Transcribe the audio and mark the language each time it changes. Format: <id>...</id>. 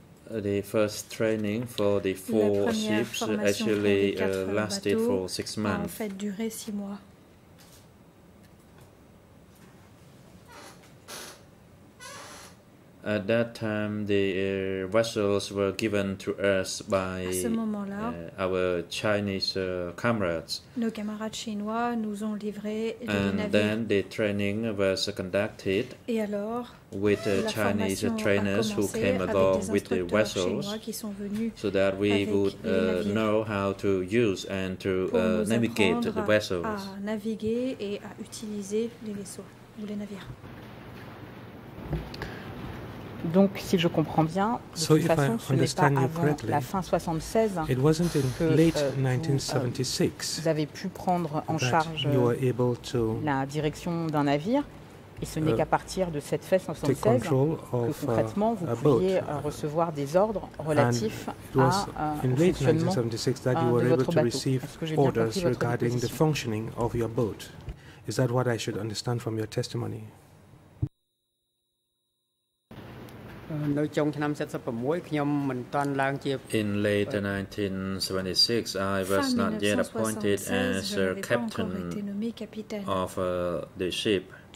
<en>The first training for the four ships actually lasted for 6 months.</en> <fr>En fait, duré 6 mois.</fr> <en>At that time, the vessels were given to us by our Chinese comrades.</en> <fr>Nos camarades chinois nous ont livré les navires.</fr> <en>And then the training was conducted</en> <fr>et alors,</fr> <en>with the Chinese trainers who came along with the vessels</en> <fr>qui sont venus</fr> <en>so that we would know how to use and to navigate the vessels.</en> <fr>À naviguer et à utiliser les vaisseaux ou les navires. Donc, si je comprends bien, de</fr> <en>so</en> <fr>toute façon, ce n'est pas avant la fin 76 que vous avez pu prendre en charge la direction d'un navire, et ce n'est qu'à partir de cette fin 76 que concrètement vous pouviez recevoir des ordres relatifs au fonctionnement de votre bateau. Est-ce que j'ai bien compris votre position?</fr> <en>Is that what I should understand from your testimony? In late 1976, I was not yet appointed as a captain of the ship.</en>